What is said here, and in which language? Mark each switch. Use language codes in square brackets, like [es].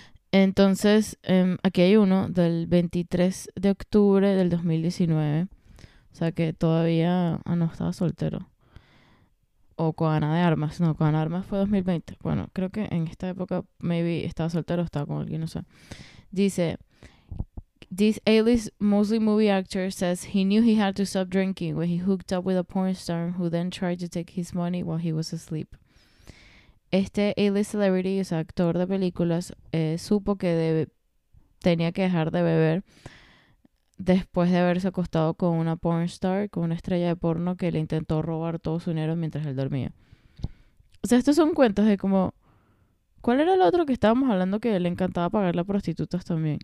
[es] Entonces, aquí hay uno del 23 de octubre del 2019, o sea que todavía no estaba soltero. O con Ana de Armas. No, con Ana de Armas fue 2020. Bueno, creo que en esta época maybe estaba soltero o estaba con alguien, no sé. [en] Dice: "This A-list mostly movie actor says he knew he had to stop drinking when he hooked up with a porn star who then tried to take his money while he was asleep." [es] Este A-list celebrity, o sea, actor de películas, supo que tenía que dejar de beber después de haberse acostado con una porn star, con una estrella de porno que le intentó robar todo su dinero mientras él dormía. O sea, estos son cuentos de como, ¿cuál era el otro que estábamos hablando que le encantaba pagarle a prostitutas también?